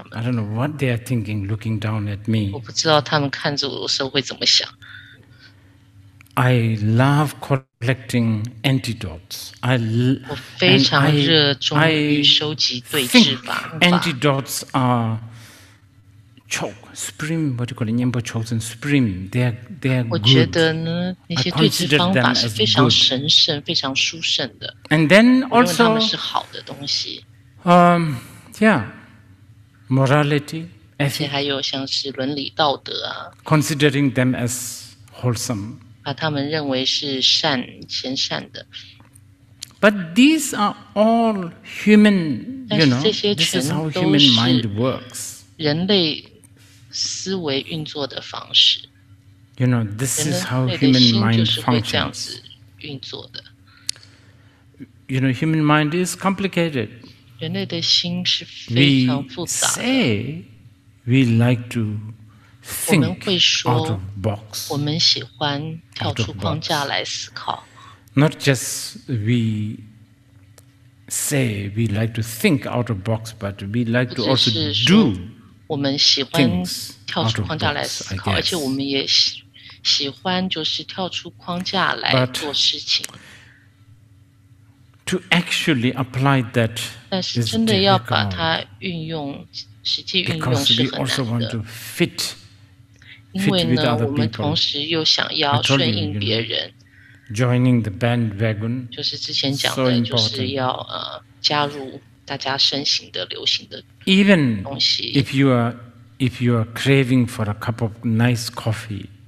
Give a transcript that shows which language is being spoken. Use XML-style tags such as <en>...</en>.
<en>I don't know what they are thinking looking down at me.</en> <zh>我不知道他们看着我的时候会怎么想。</zh> <en>I love collecting antidotes.</en> <zh>我非常热衷于收集对治法。</zh> <en>Antidotes are choke, supreme, what do you call it? Nyambo chosen, supreme. They are good.</en> <zh>我觉得呢，那些对治方法是非常神圣、非常殊胜的。</zh> <en>And then also,</en> <zh>因为他们是好的东西。</zh> <en>Yeah, morality, ethics,</en> <zh>而且还有像是伦理道德啊。</zh> <en>Considering them as wholesome.</en> <zh>把他们认为是善、前善的。</zh> <en>But these are all human, you know, this is how human mind works.</en> <zh>人类思维运作的方式。</zh> <en>You know, this is how human mind functions.</en> <zh>运作的。</zh> <en>You know, human mind is complicated.</en> <zh>人类的心是非常复杂的。</zh> <en>We say we like to think out of box.</en> <zh>我们喜欢跳出框架来思考。</zh> <en>Not just we. Say we like to think out of box, but we like to also do things out of box.</en> <zh>跳出框架来思考，而且我们也喜欢就是跳出框架来做事情。</zh> <en>To actually apply that,</en> <zh>但是真的要把它运用，实际运用是很难的。</zh> <en>Because we also want to fit with other people.</en> <zh>因为呢，我们同时又想要顺应别人。</zh> <en>Joining the bandwagon,</en> <zh>就是之前讲的，就是要加入大家盛行的、流行的东西。</zh> <en>Even if you are craving for a cup of nice coffee,</en>